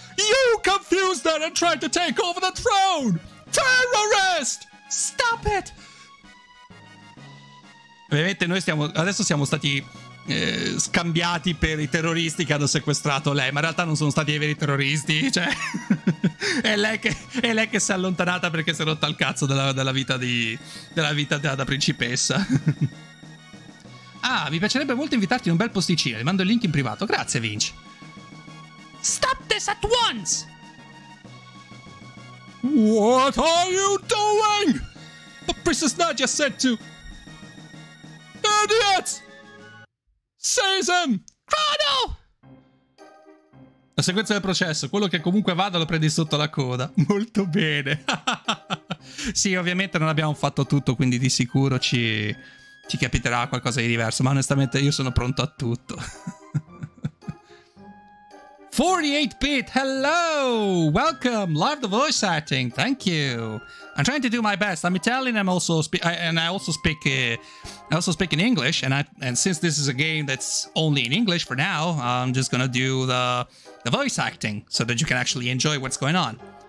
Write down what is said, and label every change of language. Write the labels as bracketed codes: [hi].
[en] You confused her and tried to take over the throne! Terrorist! Stop it! [it] Ovviamente noi adesso siamo stati scambiati per i terroristi che hanno sequestrato lei, ma in realtà non sono stati i veri terroristi, cioè è lei che si è allontanata perché si è rotta il cazzo della vita della principessa. Ah, mi piacerebbe molto invitarti in un bel posticino, ti mando il link in privato. Grazie, Vince. [en] Stop this at once! What are you doing? The Princess Nadia said to... Idiots! Seize him! Crono! [it] La sequenza del processo. Quello che comunque vada lo prendi sotto la coda. Molto bene. Sì, ovviamente non abbiamo fatto tutto, quindi di sicuro ci capiterà qualcosa di diverso. Ma onestamente io sono pronto a tutto. [en] 48-bit, hello, welcome, love the voice acting, thank you. I'm trying to do my best. I'm Italian, I also speak in English, and since this is a game that's only in English for now, I'm just gonna do the voice acting so that you can actually enjoy what's going on.